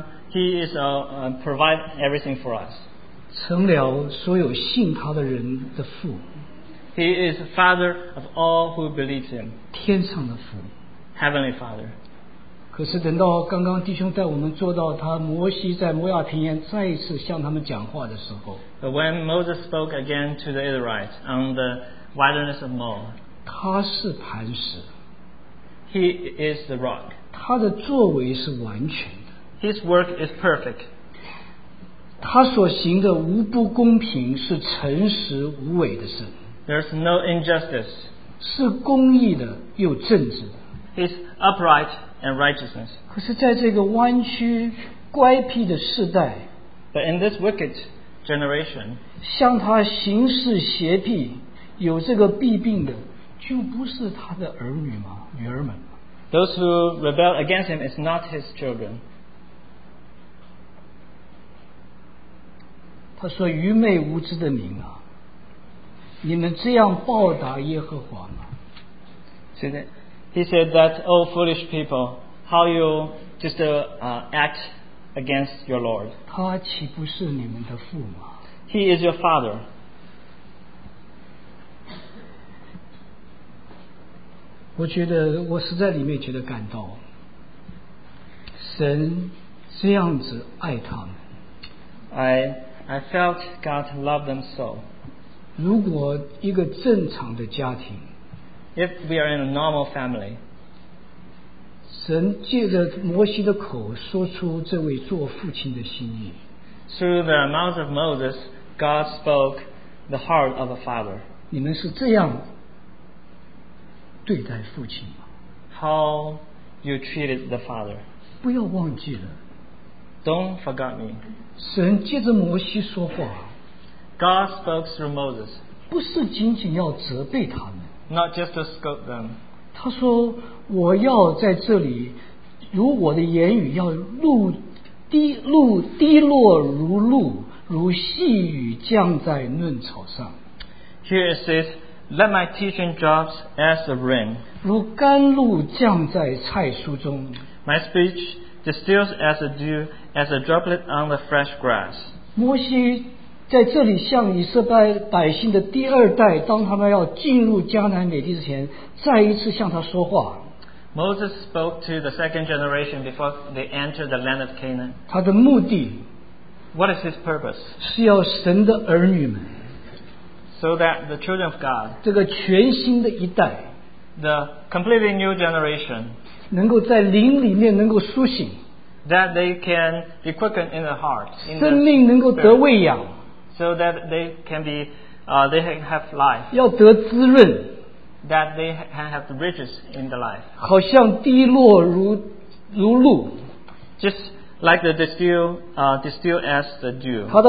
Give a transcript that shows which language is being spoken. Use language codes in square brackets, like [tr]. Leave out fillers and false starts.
[en] He is provide everything for us. [zh] 成了所有信他的人的父。 [en] He is the Father of all who believe Him. [zh] 天上的父。 [en] Heavenly Father. [zh] 可是等到刚刚弟兄带我们做到他摩西在摩亚平原再一次向他们讲话的时候 [en] But when Moses spoke again to the Israelites on the wilderness of Moab, [zh] 他是磐石 [en] He is the rock. [zh] 他的作为是完全的 [en] His work is perfect. [zh] 他所行的无不公平是诚实无伪的神 [en] There's no injustice. [zh] 是公义的又正直的 [en] His upright and righteousness. [zh] 可是在这个弯曲乖僻的世代 [en] But in this wicked generation, [zh] 向他行事邪僻有这个弊病的就不是他的儿女吗女儿们 [en] Those who rebel against him is not his children. [zh] 他说愚昧无知的民啊你们这样报答耶和华吗 [en] See that? He said that, O foolish people, how you just act against your Lord. [zh] 他岂不是你们的父吗? [en] He is your father. [zh] 我觉得我实在里面觉得感动。神这样子爱他们。 [en] I felt God loved them so. [zh] 如果一个正常的家庭 [en] If we are in a normal family, [zh] 神借着摩西的口说出这位做父亲的心意。 [en] Through the mouth of Moses, God spoke the heart of a father. [zh] 你们是这样对待父亲吗? [en] How you treated the father? [zh] 不要忘记了。 [en] Don't forget me. [zh] 神借着摩西说话。 [en] God spoke through Moses. [zh] 不是仅仅要责备他们。 [en] Not just to scold them. [zh] 他说我要在这里如我的言语要滴落如露如细雨降在嫩草上 [en] Here it says Let my teaching drops as the rain [zh] 如甘露降在菜蔬中 [en] My speech distills as a dew, as a droplet on the fresh grass. [zh] 摩西在这里向以色列百姓的第二代, 当他们要进入迦南美地之前, 再一次向他说话。 [en] Moses spoke to the second generation before they entered the land of Canaan. [zh] 他的目的, [en] what is his purpose? [zh] 是要神的儿女们, [en] so that the children of God, [zh] 这个全新的一代, [en] the completely new generation, [zh] 能够在灵里面能够苏醒, [en] that they can be quickened in the heart, in [zh] 生命能够得喂养, [en] so that they can be, they have life. [zh] 要得滋润, [en] that they can have the riches in the life. [zh] 好像滴落如露, [en] just like the distilled, distilled as the dew.